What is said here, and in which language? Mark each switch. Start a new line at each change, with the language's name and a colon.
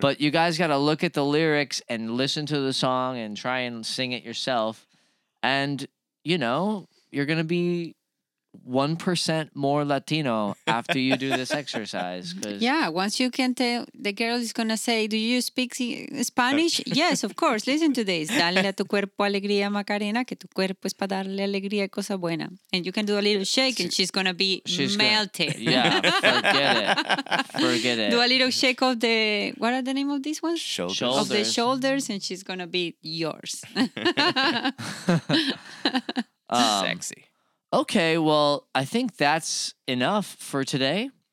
English: But you guys got to look at the lyrics and listen to the song and try and sing it yourself. And, you know, you're going to be 1% more Latino after you do this exercise. Yeah, once you can tell, the girl is going to say, do you speak Spanish? Yes, of course. Listen to this.
Spanish: Dale a tu cuerpo alegría, Macarena, que tu cuerpo es para darle alegría, cosa buena.
English: And you can do a little shake and she's going to be melted. Forget it. Do a little shake of the, what are the name of this one? Shoulders. Of the shoulders and she's going to be yours. Sexy. Okay, well, I think that's enough for today.